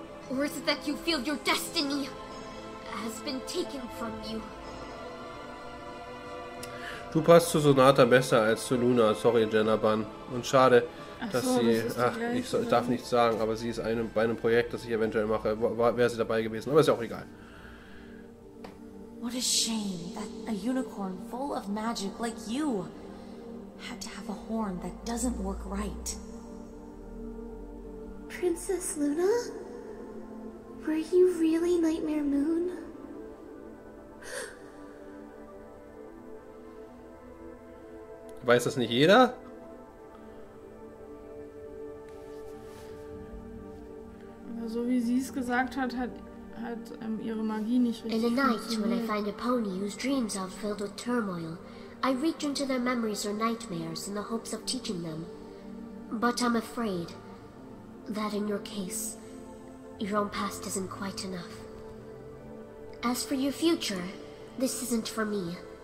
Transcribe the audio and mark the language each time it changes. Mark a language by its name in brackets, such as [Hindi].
[English] Or is it that you feel your destiny has been taken from you? [German] Du passt zu Sonata besser als zu Luna. Sorry, Jenna Bun. Und schade, darf nichts sagen, aber sie ist bei einem Projekt, das ich eventuell mache, wäre sie dabei gewesen. Aber ist ja auch egal. [English] What a shame that a unicorn full of magic like you had to have a horn that doesn't work right. Princess Luna? Were you really Nightmare Moon? [German] Weiß das nicht jeder? Aber so wie sie es gesagt hat, hat ihre Magie nicht richtig. [English] In the night, when I find a pony whose dreams are filled with turmoil, I reach into their memories or nightmares in the hopes of teaching them. But I'm afraid that in your case, your own past isn't quite enough. As for your future, this isn't for me.